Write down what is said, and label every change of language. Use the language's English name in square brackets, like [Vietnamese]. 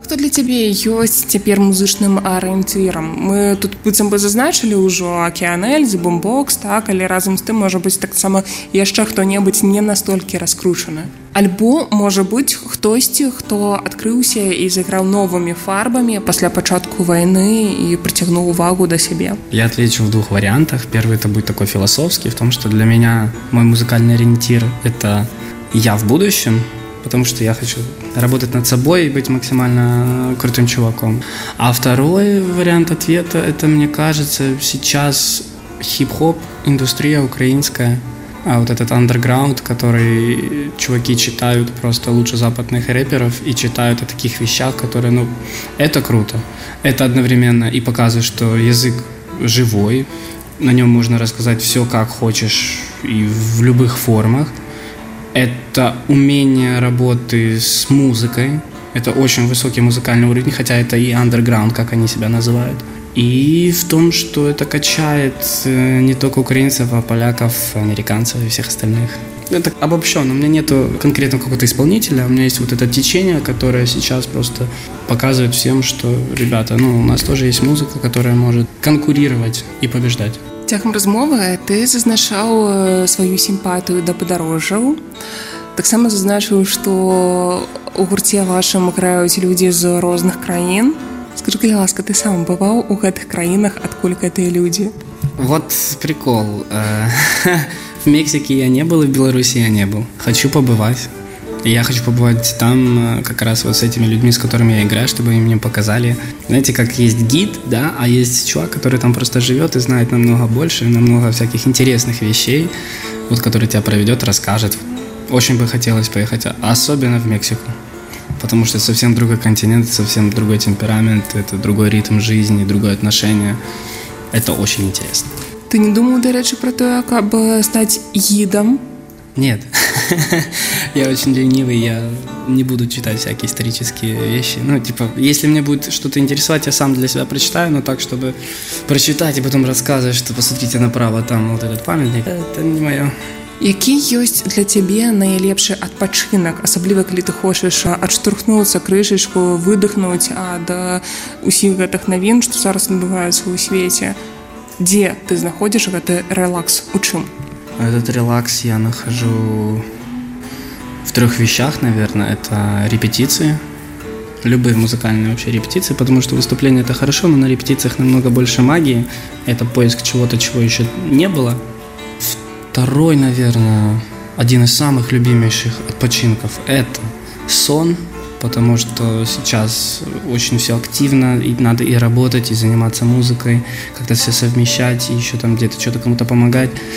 [Belarusian] цябе ёсць цяпер музычным арыенцірам? Мы тут быццам бы зазначылі ўжо Океанель, Бумбокс, так, але разам з тым можа быць таксама яшчэ хто-небудзь не настолькі раскручаны. Альбо можа быць хтосьці, хто адкрыўся і зайграў новымі фарбамі пасля пачатку вайны і прыцягнуў увагу да сябе. Я адлічу ў двух варыянтах. [Russian] Первы это будзе такой філасофскі, в том, што для мяне мой музыкальны арыенцір это я в будущем. Потому что я хочу работать над собой и быть максимально крутым чуваком. А второй вариант ответа, это, мне кажется, сейчас хип-хоп, индустрия украинская. А вот этот андерграунд, который чуваки читают просто лучше западных рэперов и читают о таких вещах, которые, ну, это круто. Это одновременно и показывает, что язык живой, на нем можно рассказать все, как хочешь и в любых формах. Это умение работы с музыкой. Это очень высокий музыкальный уровень, хотя это и андерграунд, как они себя называют. И в том, что это качает не только украинцев, а поляков, американцев и всех остальных. Это обобщенно. У меня нету конкретно какого-то исполнителя. У меня есть вот это течение, которое сейчас просто показывает всем, что, ребята, ну, у нас тоже есть музыка, которая может конкурировать и побеждать. [Belarusian] Цягам размовы ты зазначаў сваю сімпатыю да падарожжаў. Таксама зазначыў, што ў гурце вашым граюць людзі з розных краін. Скажы, калі ласка, ты сам бываў у гэтых краінах, адкуль гэтыя людзі? [Russian] Вот прикол. В Мексіке я не был, в Беларусі я не был. Хочу побываць. Я хочу побывать там как раз вот с этими людьми, с которыми я играю, чтобы они мне показали. Знаете, как есть гид, да, а есть чувак, который там просто живет и знает намного больше, намного всяких интересных вещей, вот который тебя проведет, расскажет. Очень бы хотелось поехать, особенно в Мексику, потому что совсем другой континент, совсем другой темперамент, это другой ритм жизни, другое отношение. Это очень интересно. Ты не думал, да, речи про то, как стать гидом? Нет, я очень ленивый, я не буду читать всякие исторические вещи. Ну, типа, если мне будет что-то интересовать, я сам для себя прочитаю, но так, чтобы прочитать и потом рассказывать, что посмотрите направо, там вот этот памятник, это не мое. [Belarusian] Який ёсць для цябе найлепшы адпачынак, асабліва калі ты хочаш адштурхнуцца крышачку, выдыхнуць ад усіх гэтых навін, што зараз набываюцца ў свеце? Дзе ты знаходзіш гэты релакс, у чым? [Russian] Этот релакс я нахожу в трех вещах, наверное. Это репетиции, любые музыкальные вообще репетиции, потому что выступление это хорошо, но на репетициях намного больше магии. Это поиск чего-то, чего еще не было. Второй, наверное, один из самых любимейших отпочинков – это сон, потому что сейчас очень все активно, и надо и работать, и заниматься музыкой, как-то все совмещать, и еще там где-то что-то кому-то помогать.